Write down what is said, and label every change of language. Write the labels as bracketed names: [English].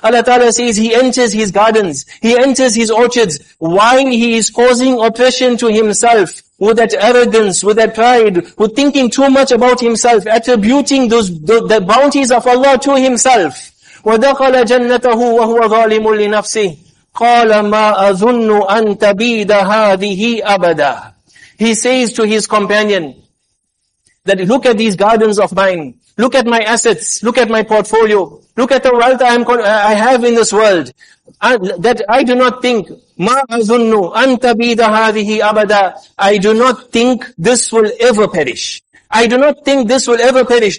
[English] Allah Ta'ala says he enters his gardens, he enters his orchards, while he is causing oppression to himself, with that arrogance, with that pride, with thinking too much about himself, attributing the bounties of Allah to himself. [Arabic] وَدَخَلَ جَنَّتَهُ وَهُوَ ظَالِمٌ لِنَفْسِهِ. قَالَ مَا أَظُنُّ أَن تَبِيدَ هَذِهِ أَبَدًا. [English] He says to his companion, that look at these gardens of mine, look at my assets, look at my portfolio, look at the wealth I have in this world, that I do not think, [Arabic] مَا أَظُنُّ أَن تَبِيدَ هَذِهِ أَبَدًا. [English] I do not think this will ever perish. I do not think this will ever perish.